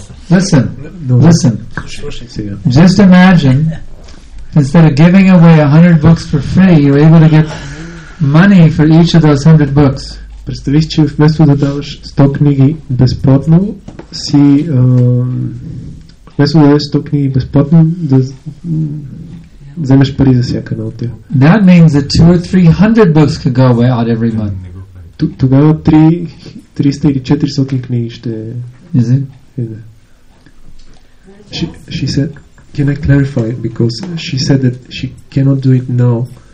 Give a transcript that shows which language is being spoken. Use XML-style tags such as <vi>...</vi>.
<en>Listen. Just imagine if instead of giving away 100 books for free, you're able to get money for each of those 100 books.</en> <bg>Представи си, че вместо да даваш 100 книги безплатно, си вместо да даваш 100 книги безплатно, да вземеш пари за всяка една от тях.</bg> <en>That means that 200 or 300 books could go away out every month.</en> <bg>Тогава 300 или 400 книги ще...</bg> <en>Is it? Yeah. She said, can I clarify? Because she said that she cannot do it now.</en>